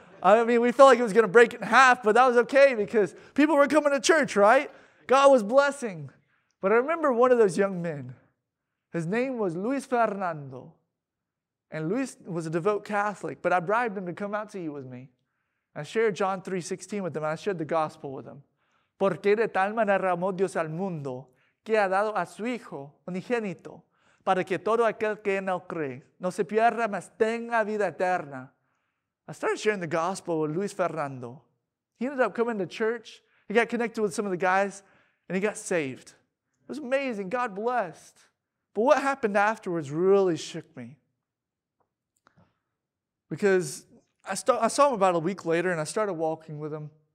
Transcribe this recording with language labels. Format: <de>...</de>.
<en>I mean, we felt like it was going to break in half, but that was okay because people were coming to church, right? God was blessing. But I remember one of those young men. His name was Luis Fernando. And Luis was a devout Catholic, but I bribed him to come out to eat with me. I shared John 3:16 with him, and I shared the gospel with him.</en> <es>Porque de tal manera amó Dios al mundo que ha dado a su hijo unigénito para que todo aquel que en él cree no se pierda, mas tenga vida eterna.</es> <en>I started sharing the gospel with Luis Fernando. He ended up coming to church. He got connected with some of the guys, and he got saved. It was amazing. God blessed. But what happened afterwards really shook me. Because I saw him about a week later, and I started walking with him.</en>